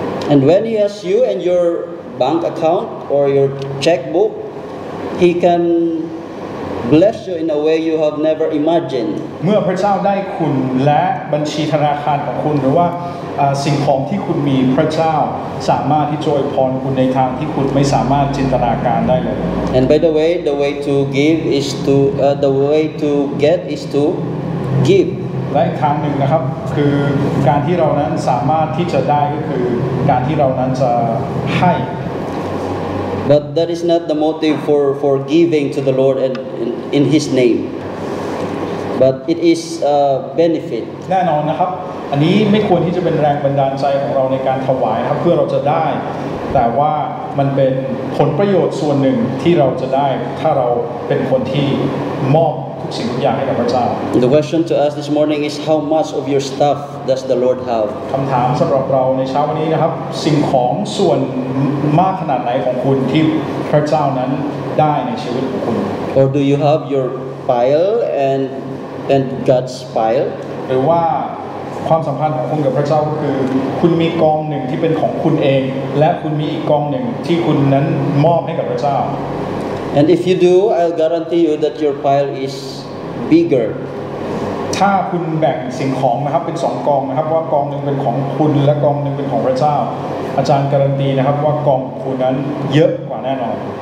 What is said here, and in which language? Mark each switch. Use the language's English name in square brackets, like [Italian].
[English] And when he has you and your bank account or your checkbook he can bless you in a way you have never imagined [Thai] เมื่อพระเจ้าได้คุณและบัญชีธนาคารของคุณหรือว่าสิ่งของที่คุณมีพระเจ้าสามารถที่จะอวยพรคุณในทางที่คุณไม่สามารถจินตนาการได้เลย [English] And by the way to give is to the way to get is to give [Thai] และอีกทางหนึ่งนะครับคือการที่เรานั้นสามารถที่จะได้ก็คือการที่เรานั้นจะให้ [English] But that is not the motive for giving to the Lord and in His name. But it is a benefit. [Thai] แน่นอนนะครับอันนี้ไม่ควรที่จะเป็นแรงบันดาลใจของเราในการถวายครับเพื่อเราจะได้แต่ว่ามันเป็นผลประโยชน์ส่วนหนึ่งที่เราจะได้ถ้าเราเป็นคนที่มอบทุกสิ่งทุกอย่างให้กับพระเจ้า [English] The question to us this morning is how much of your stuff does the Lord have? [Thai] คำถามสำหรับเราในเช้าวันนี้นะครับสิ่งของส่วนมากขนาดไหนของคุณที่พระเจ้านั้นได้ในชีวิตของคุณ [English] Or do you have your pile and God's pile? [Thai] หรือว่าความสัมพันธ์ของคุณกับพระเจ้าคือคุณมีกองหนึ่งที่เป็นของคุณเองและคุณมีอีกกองหนึ่งที่คุณนั้นมอบให้กับพระเจ้า [English] And if you do, I'll guarantee you that your pile is bigger. [Thai] ถ้าคุณแบ่งสิ่งของนะครับเป็น2กองนะครับว่ากองนึงเป็นของคุณและกองนึงเป็นของพระเจ้าอาจารย์การันตีนะครับว่ากองคุณนั้นเยอะกว่าแน่นอน